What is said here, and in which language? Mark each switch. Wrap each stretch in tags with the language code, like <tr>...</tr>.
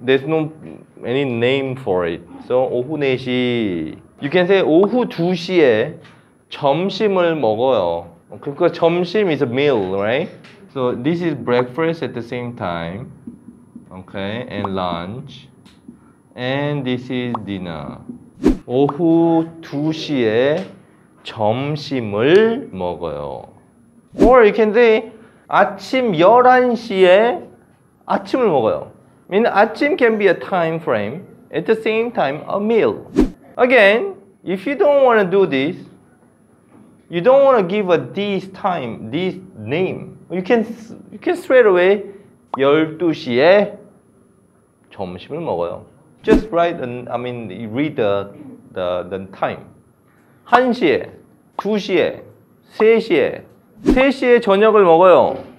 <en>There's no any name for it. So</en> <ko>오후 4시.</ko> <en>You can say</en> <ko>오후 2시에 점심을 먹어요. 그러니까</ko> <en>점심 is a meal, right? So this is breakfast at the same time. Okay, and lunch. And this is dinner.</en> <ko>오후 2시에 점심을 먹어요.</ko> <en>Or you can say</en> <ko>아침 11시에 아침을 먹어요.</ko> <en>I mean, 아침 can be a time frame. At the same time, a meal. Again, if you don't want to do this, you don't want to give a this time, this name, you can straight away</en> <ko>12시에 점심을 먹어요.</ko> <en>Just write, and I mean, read the time.</en> <ko>1시에, 2시에, 3시에, 3시에 저녁을 먹어요.</ko>